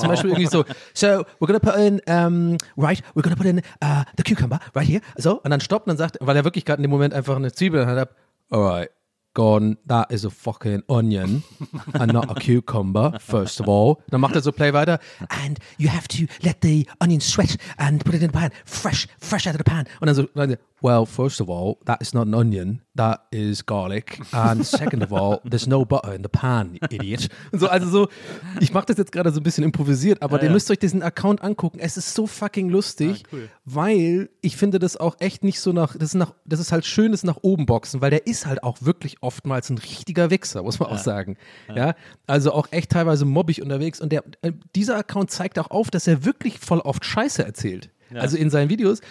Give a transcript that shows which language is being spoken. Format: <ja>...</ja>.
<de>Zum Beispiel irgendwie so, so,</de> <en>we're gonna put in the cucumber right here, so,</en> <de>und dann stoppt und dann sagt, weil er wirklich gerade in dem Moment einfach eine Zwiebel hat,</de> <en>alright, Gordon, that is a fucking onion and not a cucumber, first of all.</en> <de>Dann macht er so Play weiter.</de> <en>And you have to let the onion sweat and put it in the pan, fresh out of the pan.</en> <de>Und dann so,</de> <en>well, first of all, that is not an onion, that is garlic. And second of all, there's no butter in the pan, idiot.</en> <de>Und so, also so, ich mache das jetzt gerade so ein bisschen improvisiert, aber ihr müsst euch diesen Account angucken. Es ist so fucking lustig, weil ich finde das auch echt nicht so das ist halt schönes nach oben boxen, weil der ist halt auch wirklich oftmals ein richtiger Wichser, muss man auch sagen. Ja, also auch echt teilweise mobbig unterwegs. Und dieser Account zeigt auch auf, dass er wirklich voll oft Scheiße erzählt. Ja. Also in seinen Videos.</de>